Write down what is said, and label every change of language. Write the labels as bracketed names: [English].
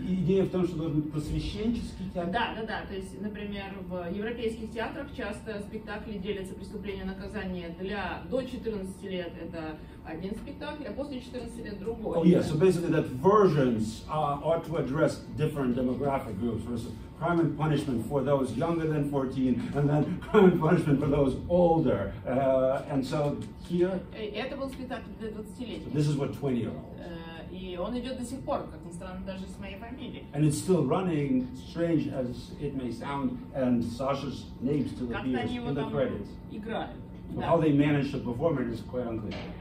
[Russian] идея в том, что должен быть просвещенческий театр? Да, да, да. То есть, например, в европейских театрах часто спектакли делятся преступление и наказание для до 14 лет это один спектакль, а после 14 лет другой. [English] Oh, yeah, so basically that versions ought to address different demographic groups versus crime and punishment for those younger than 14, and then crime and punishment for those older. And so here... [Russian] Это был спектакль для 20-летних. [English] This is what 20-year-olds. [Russian] И он идет до сих пор, как ни странно, даже с моей фамилией. [English] And it's still running, strange as it may sound, and Sasha's name still appears in the credits. [Russian] Играют. [English] But how they manage to perform it is quite unclear.